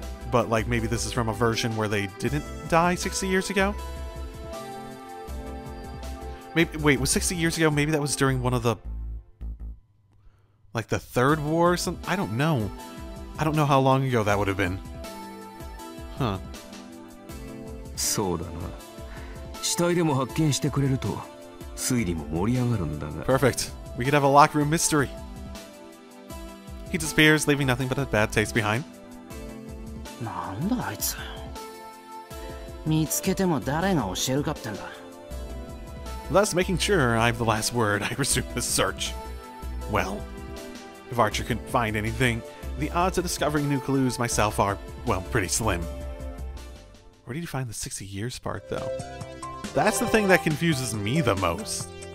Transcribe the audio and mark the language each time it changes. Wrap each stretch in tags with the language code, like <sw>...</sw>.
<en>but like maybe this is from a version where they didn't die 60 years ago. Maybe, wait, was 60 years ago? Maybe that was during one of the, like, the Third War or something? I don't know. I don't know how long ago that would have been. Huh.</en> <ja>そうだな。死体でも発見してくれると推理も盛り上がるんだが。</ja> <en>Perfect. We could have a locker room mystery. He disappears, leaving nothing but a bad taste behind.</en> <ja>なんだあいつ。見つけても誰が教えるかってんだ。</ja> <en>Thus making sure I have the last word, I resume the search. Well, if Archer couldn't find anything, the odds of discovering new clues myself are, well, pretty slim. Where did you find the 60 years part, though? That's the thing that confuses me the most.</en>